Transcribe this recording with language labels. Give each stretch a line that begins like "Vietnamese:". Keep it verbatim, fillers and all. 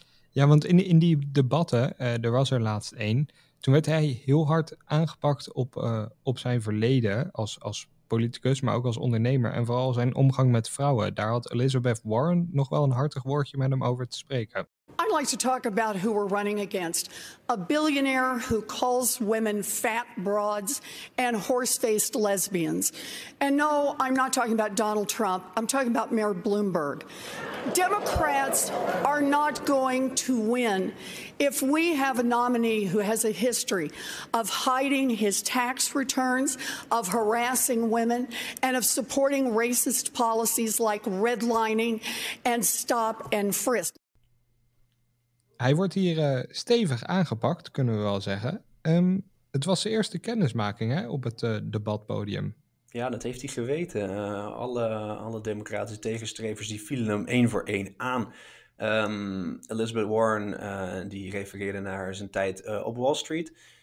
Dutch: Ja, want in, in die debatten, uh, er was er laatst één. Toen werd hij heel hard aangepakt op, uh, op zijn verleden als, als politicus, maar ook als ondernemer. En vooral zijn omgang met vrouwen. Daar had Elizabeth Warren nog wel een hartig woordje met hem over te spreken.
English: I'd like to talk about who we're running against. A billionaire who calls women fat broads and horse-faced lesbians. And no, I'm not talking about Donald Trump. I'm talking about Mayor Bloomberg. Democrats are not going to win if we have a nominee who has a history of hiding his tax returns, of harassing women, and of supporting racist policies like redlining and stop and frisk.
Dutch: Hij wordt hier uh, stevig aangepakt, kunnen we wel zeggen. Um, het was zijn eerste kennismaking hè, op het uh, debatpodium. Ja, dat heeft hij geweten. Uh, alle, alle democratische tegenstrevers die vielen hem één voor één aan. Um, Elizabeth Warren uh, die refereerde naar zijn tijd uh, op Wall Street.